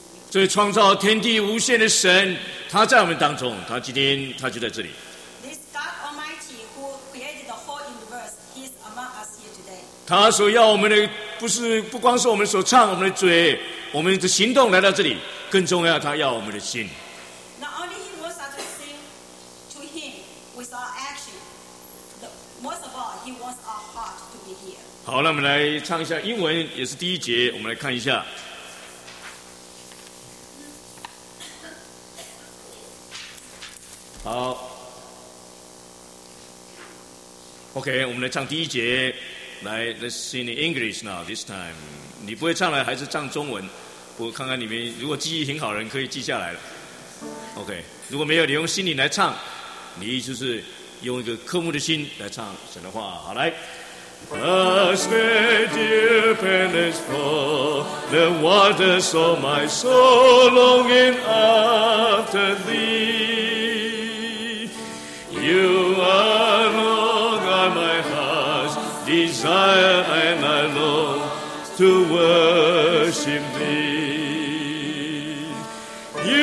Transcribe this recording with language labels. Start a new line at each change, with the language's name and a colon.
Chinese: 所以创造天地无限的神，他在我们当中，他今天他就在这里。
English: This God Almighty who created the whole universe, He is among us here today.
Chinese: 他所要我们的不光是我们所唱，我们的嘴，我们的行动来到这里，更重要，他要我们的心。
English: Not only He wants us to sing to Him with our action, most of all, He wants our heart to be here.
Chinese: 好，那我们来唱一下英文，也是第一节，我们来看一下。好 ，OK， 我们来唱第一节。来 ，
English: Let's sing in English now. This time，
Chinese: 你不会唱了，还是唱中文？我看看你们，如果记忆挺好的，可以记下来了。OK， 如果没有，你用心灵来唱，你就是用一个渴慕的心来唱神的话。好，来。
English: As the deep and as full, the waters of my soul longing after thee. You are Lord, God, my heart's desire, and I long to worship Thee.